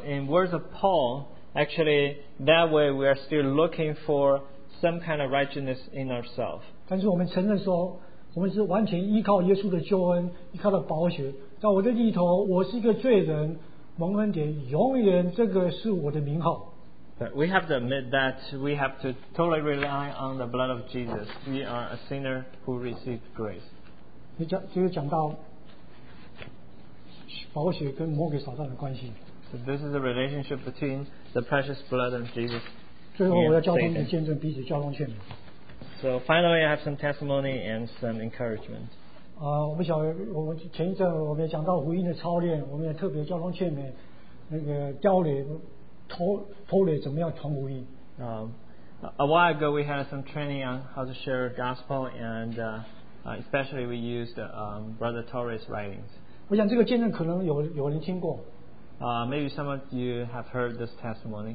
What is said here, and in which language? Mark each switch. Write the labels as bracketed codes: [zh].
[en] in words of Paul, actually that way we are still looking for some kind of righteousness in ourselves. [zh] 但是我们承认说，我们是完全依靠耶稣的救恩，依靠了宝血，在我的里头，我是一个罪人，蒙恩典，永远这个是我的名号。 [en] But we have to admit that we have to totally rely on the blood of Jesus. We are a sinner who received grace. [zh] 就是讲到宝血跟魔鬼撒旦的关系。 [en] So this is the relationship between the precious blood of Jesus. [zh] 最后我要交通的见证，彼此交通劝勉。 [en] So finally, I have some testimony and some encouragement. [zh] 我们前一阵我们也讲到福音的操练，我们也特别交通劝勉，那个教练拖累怎么样传福音。 [en] A while ago, we had some training on how to share gospel, and especially we used Brother Torres' writings. [zh] 我想这个见证可能有人听过。 [en] Maybe some of you have heard this testimony.